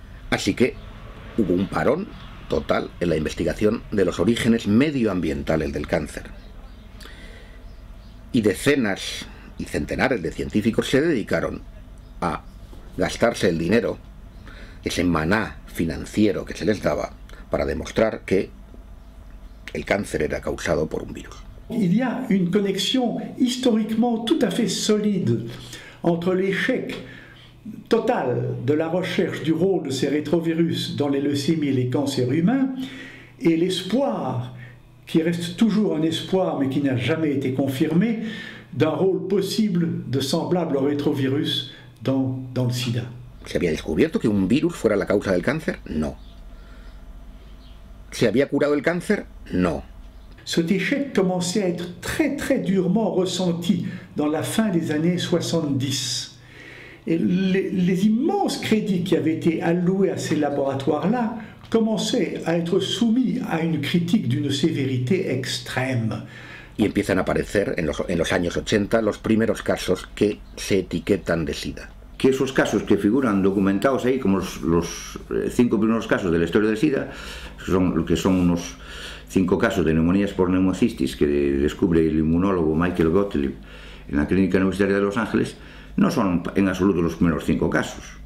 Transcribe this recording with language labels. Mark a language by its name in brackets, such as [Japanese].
[Spanish] Así que hubo un parón total en la investigación de los orígenes medioambientales del cáncer. Y decenas y centenares de científicos se dedicaron a gastarse el dinero, ese maná financiero que se les daba, para demostrar que el cáncer era causado por un virus. [French] Il y a une connexion historiquement tout à fait solide entre l'échec total de la recherche du rôle de ces rétrovirus dans les leucémies et les cancers humains et l'espoir, qui reste toujours un espoir mais qui n'a jamais été confirmé, d'un rôle possible de semblable rétrovirus dans le sida. [Spanish] ¿Se había descubierto que un virus fuera la causa del cáncer? No. ¿Se había curado el cáncer? No. [French] Cet échec commençait à être très très durement ressenti dans la fin des années 70. Et les immenses crédits qui avaient été alloués à ces laboratoires-là commençaient à être soumis à une critique d'une sévérité extrême. [Spanish] Y empiezan a aparecer en los años 80 los primeros casos que se etiquetan de SIDA. Que esos casos que figuran documentados ahí, como los cinco primeros casos de la historia del SIDA, que son unos cinco casos de neumonías por neumocistis que descubre el inmunólogo Michael Gottlieb en la Clínica Universitaria de Los Ángeles, no son en absoluto los primeros cinco casos.